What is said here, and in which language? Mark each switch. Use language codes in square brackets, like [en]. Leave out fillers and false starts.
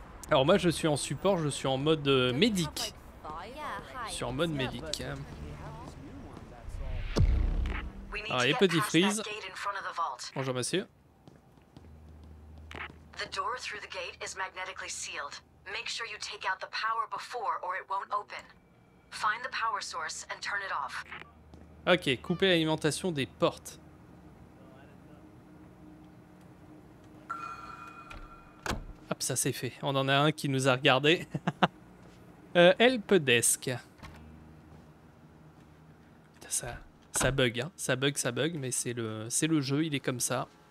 [fr] Alors moi je suis en support, je suis en mode médic. Je suis en mode médic. Alors il y a petit freeze. Bonjour monsieur. La porte à travers la gate est magnétiquement scellée. [en] Make sure you take out the power before or it won't open. Find the power source and turn it off. [fr] OK, couper l'alimentation des portes. Hop, ça c'est fait. On en a un qui nous a regardé. help desk. Putain, ça bug hein. Ça bug, mais c'est le jeu, il est comme ça.